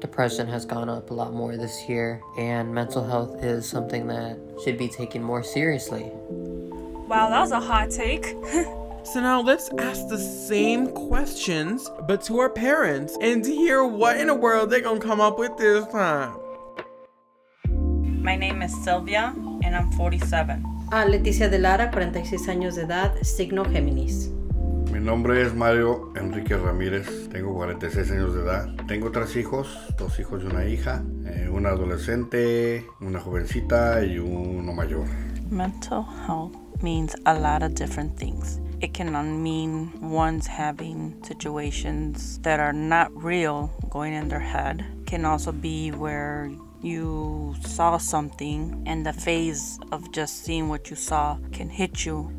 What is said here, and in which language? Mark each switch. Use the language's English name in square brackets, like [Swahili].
[English] Depression has gone up a lot more this year, and mental health is something that should be taken more seriously. Wow, that was a hot take. So now let's ask the same questions, but to our parents, and to hear what in the world they're gonna come up with this time. My name is Sylvia, and I'm 47. [Spanish] Leticia de Lara, 46 años de edad, signo Géminis. Mi nombre es Mario Enrique Ramírez, tengo 46 años de edad. Tengo tres hijos, dos hijos y una hija, una adolescente, una jovencita y uno mayor. [English] Mental health means a lot of different things. It can mean one's having situations that are not real going in their head. It can also be where you saw something and the phase of just seeing what you saw can hit you.